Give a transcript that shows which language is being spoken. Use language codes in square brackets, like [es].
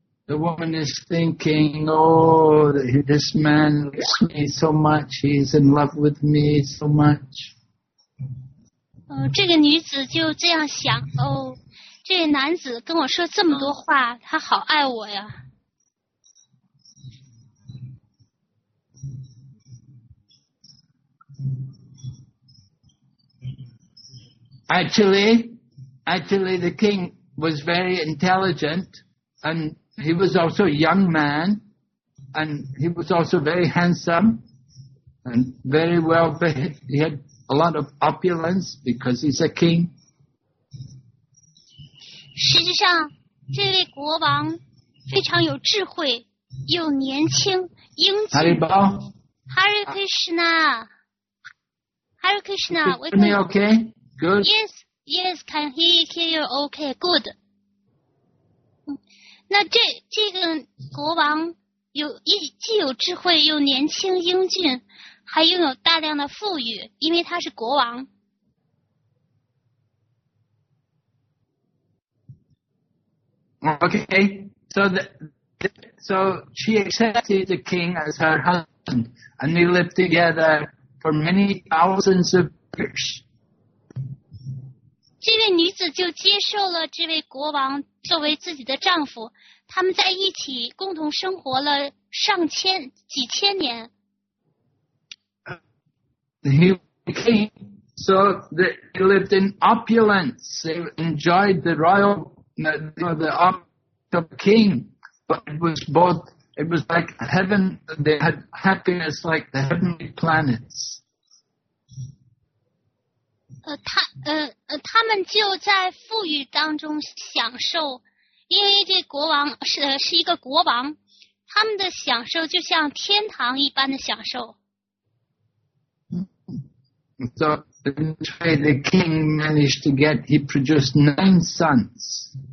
[en] The woman is thinking, oh, this man loves me so much. He's in love with me so much. [zh] 这个女子就这样想，哦，这个男子跟我说这么多话，他好爱我呀。 [en] Actually, the king was very intelligent, and he was also a young man, and he was also very handsome, and very well behaved. He had a lot of opulence because he's a king. [zh] 实际上，这位国王非常有智慧，又年轻，英俊。 [sa] Hare Bal. Hare Krishna. Hare Krishna. [en] Is everything okay? Good. Yes, can he hear you? Okay, good. [zh] 那这个国王既有智慧，又年轻英俊，还拥有大量的富裕，因为他是国王。 [en] Okay, so she accepted the king as her husband, and they lived together for many thousands of years. [zh] 这位女子就接受了这位国王作为自己的丈夫，他们在一起共同生活了上千几千年。 [en] He became so they lived in opulence. They enjoyed the royal, the opulence of the king. But it was like heaven. They had happiness like the heavenly planets. [zh] 他们就在富裕当中享受，因为这国王是一个国王，他们的享受就像天堂一般的享受。 [en] So the king managed to get, he produced 9 sons.